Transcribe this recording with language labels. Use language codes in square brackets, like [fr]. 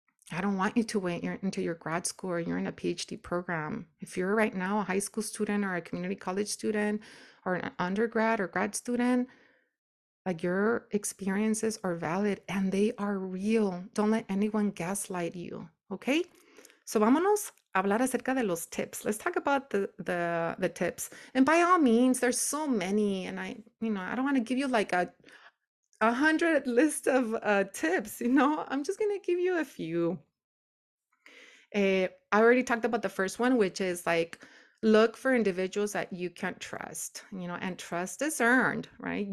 [en] I don't want you to wait until your grad school or you're in a PhD program. If you're right now a high school student or a community college student or an undergrad or grad student, like, your experiences are valid and they are real. Don't let anyone gaslight you, okay? [es] So vámonos a hablar acerca de los tips. [en] Let's talk about the tips. And by all means, there's so many, and I, you know, I don't want to give you like a 100 list of tips, you know, I'm just going to give you a few. I already talked about the first one, which is like, look for individuals that you can't trust, you know, and trust is earned, right?